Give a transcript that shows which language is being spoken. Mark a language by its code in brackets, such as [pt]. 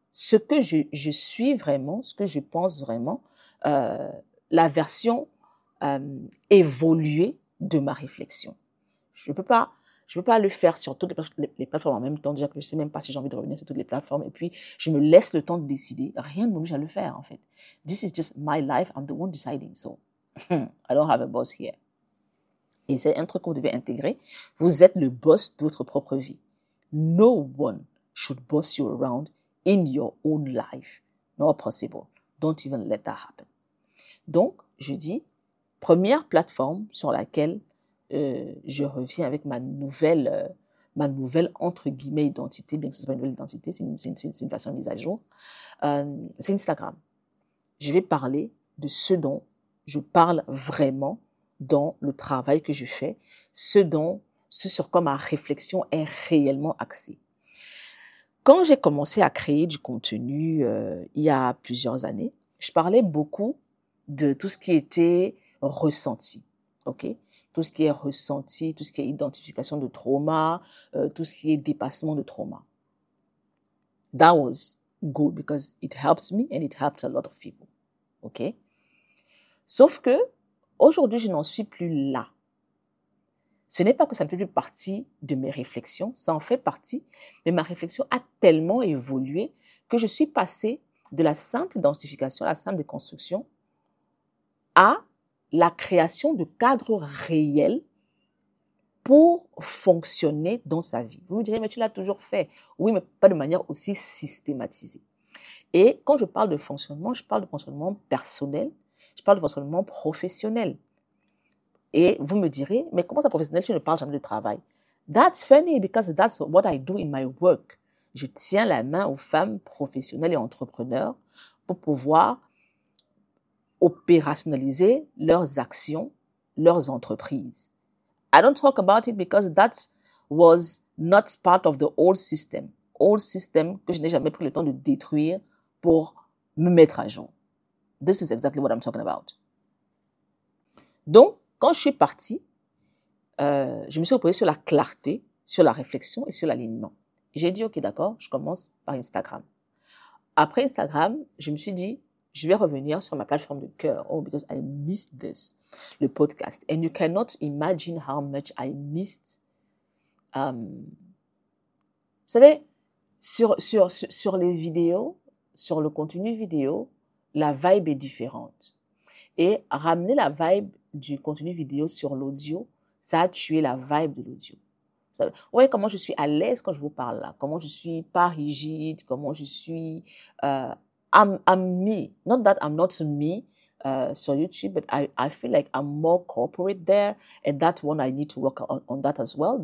[fr] ce que je suis vraiment, ce que je pense vraiment, la version évoluée de ma réflexion. Je peux pas le faire sur toutes les plateformes en même temps, déjà que je sais même pas si j'ai envie de revenir sur toutes les plateformes, et puis je me laisse le temps de décider. Rien ne m'oblige à le faire, en fait. [en] This is just my life, I'm the one deciding, so I don't have a boss here. [fr] Et c'est un truc que vous devez intégrer, vous êtes le boss de votre propre vie. [en] No one should boss you around in your own life. Not possible. Don't even let that happen. [fr] Donc, je dis, première plateforme sur laquelle je reviens avec ma nouvelle entre guillemets identité, bien que ce soit une nouvelle identité, c'est une version mise à jour, c'est Instagram. Je vais parler de ce dont je parle vraiment dans le travail que je fais, ce sur quoi ma réflexion est réellement axée. Quand j'ai commencé à créer du contenu il y a plusieurs années, je parlais beaucoup de tout ce qui était ressenti, ok? Tout ce qui est ressenti, tout ce qui est identification de trauma, tout ce qui est dépassement de trauma. [en] That was good because it helped me and it helped a lot of people, ok? [fr] Sauf que Aujourd'hui, je n'en suis plus là. Ce n'est pas que ça ne fait plus partie de mes réflexions, ça en fait partie, mais ma réflexion a tellement évolué que je suis passée de la simple identification, la simple déconstruction, à la création de cadres réels pour fonctionner dans sa vie. Vous me direz, mais tu l'as toujours fait. Oui, mais pas de manière aussi systématisée. Et quand je parle de fonctionnement, je parle de fonctionnement personnel, je parle de fonctionnement professionnel. Et vous me direz, mais comment ça professionnel, tu ne parles jamais de travail? [en] That's funny because that's what I do in my work. [fr] Je tiens la main aux femmes professionnelles et entrepreneurs pour pouvoir opérationnaliser leurs actions, leurs entreprises. [en] I don't talk about it because that was not part of the old system. Old system [fr] que je n'ai jamais pris le temps de détruire pour me mettre à jour. [en] This is exactly what I'm talking about. [fr] Donc, quand je suis partie, je me suis reposée sur la clarté, sur la réflexion et sur l'alignement. J'ai dit, OK, d'accord, je commence par Instagram. Après Instagram, je me suis dit, je vais revenir sur ma plateforme de cœur. [en] Oh, because I missed this, [fr] le podcast. [en] And you cannot imagine how much I missed. [fr] Vous savez, sur les vidéos, sur le contenu vidéo, la vibe est différente. Et ramener la vibe du contenu vidéo sur l'audio, ça a tué la vibe de l'audio. Vous voyez comment je suis à l'aise quand je vous parle là, comment je suis pas rigide, comment je suis... [en] I'm me. Not that I'm not me [fr] sur YouTube, [en] but I feel like I'm more corporate there. And that one, I need to work on that as well.